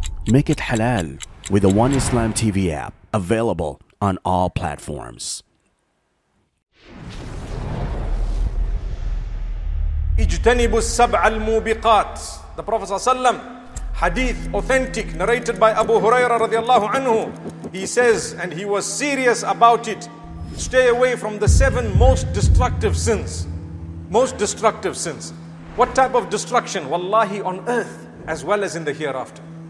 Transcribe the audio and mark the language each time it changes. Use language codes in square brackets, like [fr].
[en] Make it halal with the One Islam TV app, available on all platforms. [ar] اجتنبوا السبع الموبقات. [en] The Prophet ﷺ, hadith authentic, narrated by Abu Huraira radiallahu anhu, he says, and he was serious about it, stay away from the seven most destructive sins. Most destructive sins. What type of destruction? Wallahi, on earth as well as in the hereafter.